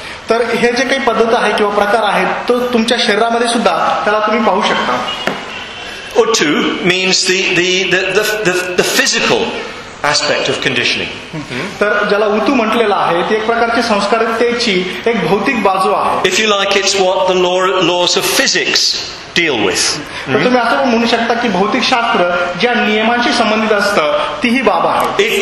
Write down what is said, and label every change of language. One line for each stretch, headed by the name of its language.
Marathi: तर हे जे काही पद्धत आहे किंवा प्रकार आहेत तो तुमच्या शरीरामध्ये सुद्धा त्याला तुम्ही पाहू शकता.
English: उठ means the physical aspect of conditioning.
Marathi: तर ज्याला उतू म्हटलेला आहे ती एक प्रकारची संस्कारितेची एक भौतिक बाजू आहे.
English: If you like, it's what the laws of physics deal with.
Marathi: तुम्ही असं म्हणू शकता की भौतिक शास्त्र ज्या नियमांशी संबंधित असतं तीही बाब आहे.